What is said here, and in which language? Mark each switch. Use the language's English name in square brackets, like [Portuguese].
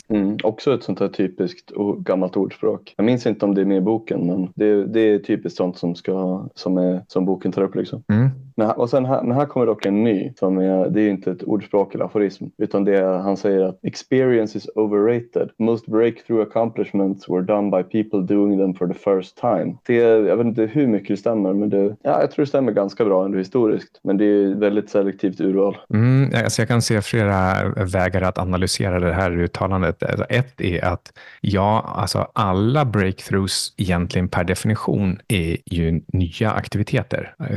[Swedish] Mm, också ett sånt här typiskt och gammalt ordspråk. Jag minns inte om det är med i boken, men det är typiskt sånt som boken tar upp liksom. Mm. Men här kommer dock en ny, som är, det är ju inte ett ordspråk eller aforism, utan det är, han säger att [English] experience is overrated. Most breakthrough accomplishments were done by people doing them for the first time. [Swedish] Jag vet inte hur mycket det stämmer, men jag tror det stämmer ganska bra ändå historiskt. Men det är ju väldigt selektivt urval. Mm, alltså jag kan se flera vägar att analysera det här uttalandet. Alltså ett är att alla breakthroughs egentligen per definition är ju nya aktiviteter.